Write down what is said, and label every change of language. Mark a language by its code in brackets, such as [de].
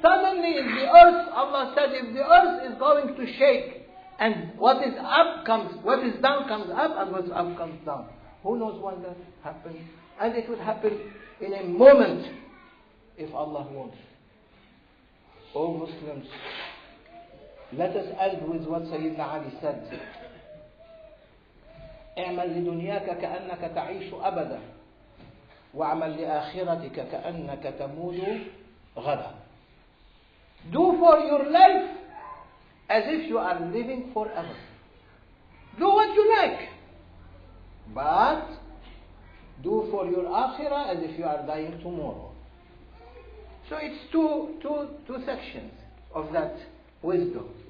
[en] Suddenly, if the earth, Allah said, if the earth is going to shake, and what is up comes, what is down comes up, and what's up comes down. Who knows when that happens? And it would happen in a moment, if Allah wants. O Muslims, let us end with what Sayyidina Ali said. [ar] اعمل لدنياك كأنك تعيش أبدا وعمل لآخرتك كأنك تموت غدا. [en] Do for your life as if you are living forever. Do what you like, but do for your آخرة as if you are dying tomorrow. So it's two sections of that wisdom.